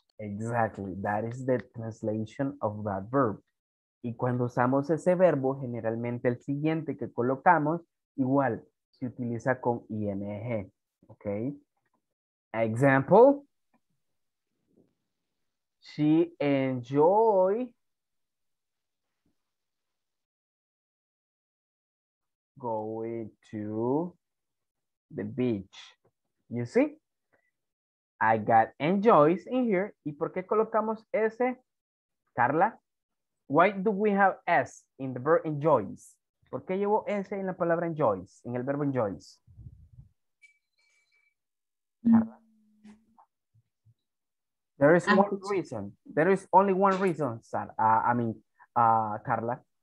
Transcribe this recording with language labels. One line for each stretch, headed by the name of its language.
English: Exactly, that is the translation of that verb.
Spanish: Y cuando usamos ese verbo, generalmente el siguiente que colocamos, igual, se utiliza con ing, ¿ok?
English: Example, she enjoy going to the beach, you see? I got enjoys in here.
Spanish: ¿Y por qué colocamos S, Carla?
English: Why do we have S in the verb enjoys?
Spanish: ¿Por qué llevo S en la palabra enjoys, en el verbo enjoys? Carla.
English: There is one reason. There is only one reason, Sarah. Carla.